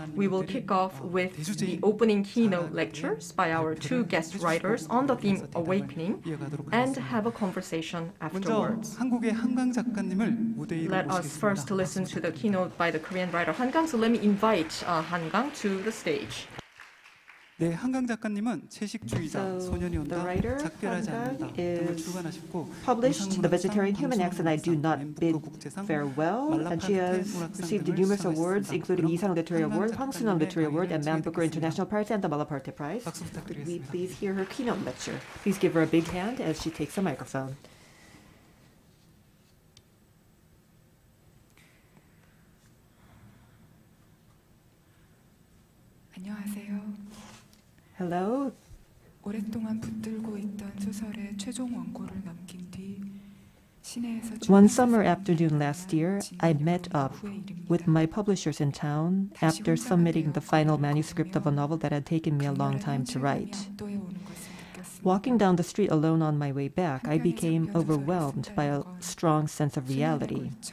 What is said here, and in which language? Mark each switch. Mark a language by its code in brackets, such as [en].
[en] We will kick off with the opening keynote lectures by our two guest writers on the theme Awakening and have a conversation afterwards. Let us first listen to the keynote by the Korean writer Han Kang. So let me invite Han Kang to the stage. [ko] 네, 한강 작가님은 채식주의자 소년이 온다 작별하지 않는다 등을 출간하셨고 [en] published The Vegetarian Human Acts and I Do Not Bid Farewell, and she has received numerous awards including Isanoo Literary Award, Hwangsunwon Literary Award, and Man Booker International Prize and the Malaparte Prize. We please hear her keynote lecture. Please give her a big hand as she takes the microphone. [ko] 안녕하세요. [en] Hello. [ko] 오랫동안 붙들고 있던 소설의 최종 원고를 넘긴 뒤 [en] One summer afternoon last year, I met up with my publishers in town after submitting the final manuscript of a novel that had taken me a long time to write. Walking down the street alone on my way back, I became overwhelmed by a strong sense of reality.